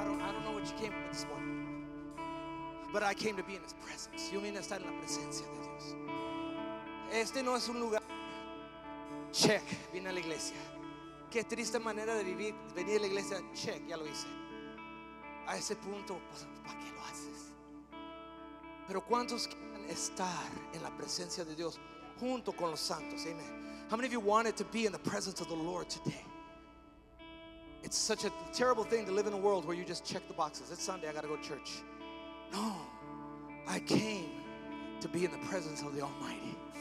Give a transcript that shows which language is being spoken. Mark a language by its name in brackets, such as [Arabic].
[English] I don't know what you came with this morning. But I came to be in his presence. [Spanish] Yo vine a estar en la presencia de Dios. Este no es un lugar. Check, vine a la iglesia. Qué triste manera de vivir. Venir a la iglesia, check, ya lo hice. A ese punto, pues, ¿para qué lo haces? Pero ¿cuántos quieren estar en la presencia de Dios junto con los santos? Amen. [English] How many of you wanted to be in the presence of the Lord today? It's such a terrible thing to live in a world where you just check the boxes. It's Sunday, I gotta go to church. No, I came to be in the presence of the Almighty.